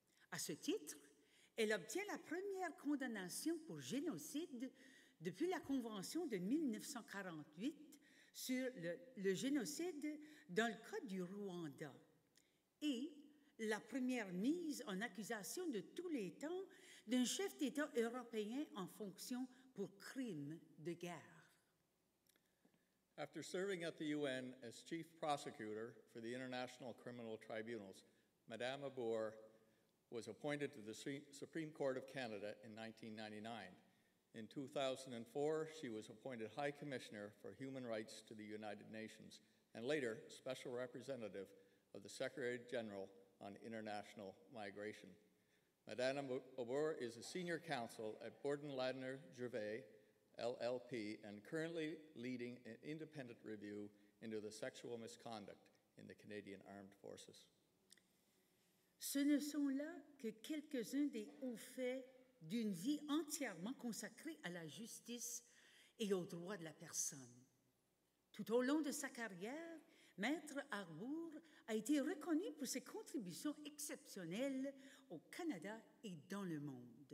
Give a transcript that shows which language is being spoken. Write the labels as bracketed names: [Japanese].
[French] À ce titre, elle obtient la première condamnation pour génocide depuis la Convention de 1948 sur le génocide dans le cas du Rwanda et la première mise en accusation de tous les temps d'un chef d'État européen en fonction pour crime de guerre. [English] After serving at the UN as chief prosecutor for the International Criminal Tribunals, Madame Arbour was appointed to the Supreme Court of Canada in 1999. In 2004, she was appointed High Commissioner for Human Rights to the United Nations and later Special Representative of the Secretary General on international migration. Madame Arbour is a senior counsel at Borden Ladner Gervais, LLP, and currently leading an independent review into the sexual misconduct in the Canadian Armed Forces. [French] Ce ne sont là que quelques-uns des hauts faits d'une vie entièrement consacrée à la justice et aux droits de la personne. Tout au long de sa carrière, Maître Arbour a été reconnu pour ses contributions exceptionnelles au Canada et dans le monde.